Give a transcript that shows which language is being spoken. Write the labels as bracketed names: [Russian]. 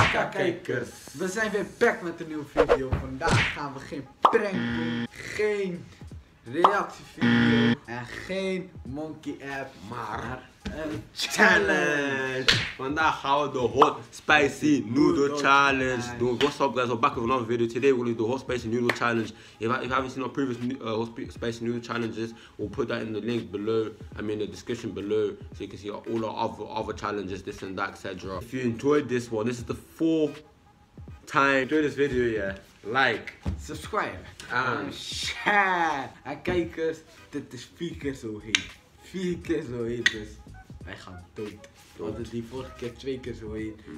[Dutch] Kijkers, we zijn weer back met een nieuwe video. Vandaag gaan we geen prank doen, geen reactievideo en geen monkey app, maar een challenge. Vandaag gaan we de hot spicy noodle challenge doen. [English] What's up guys, we're back with another video. Today we'll do the hot spicy noodle challenge. If you haven't seen our previous hot spicy noodle challenges, we'll put that in the link below, the description below, so you can see all our other challenges, this and that, etc. If you enjoyed this one, this is the fourth time doing this video, yeah. Like, subscribe, and share. [Dutch] En kijkers, dit is 4 keer zo heet. 4 keer zo heet, dus wij gaan dood. Want het is die vorige keer 2 keer zo heet.